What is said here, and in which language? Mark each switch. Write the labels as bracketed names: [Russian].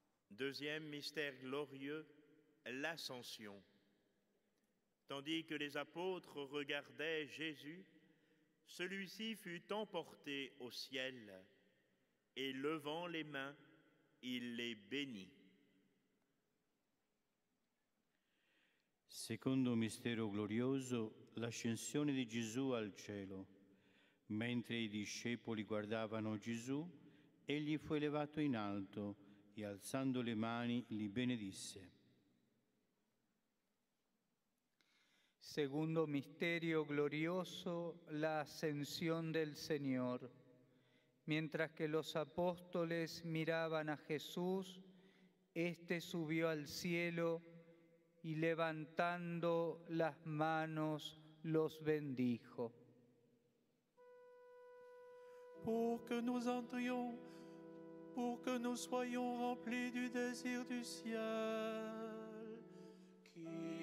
[French] Deuxième mystère glorieux, l'Ascension. Tandis que les apôtres regardaient Jésus, celui-ci fut emporté au ciel, et levant les mains, il les bénit. [Italian] Secondo mistero glorioso, l'ascensione di Gesù al cielo. Mentre i discepoli guardavano Gesù, egli fu elevato in alto e alzando le mani li benedisse. Secondo mistero glorioso, l'ascensione del Signore. [Spanish] Mientras que los apóstoles miraban a Jesús, este subió al cielo y levantando las manos los bendijo. [French] Pour que nous soyons remplis du désir du ciel.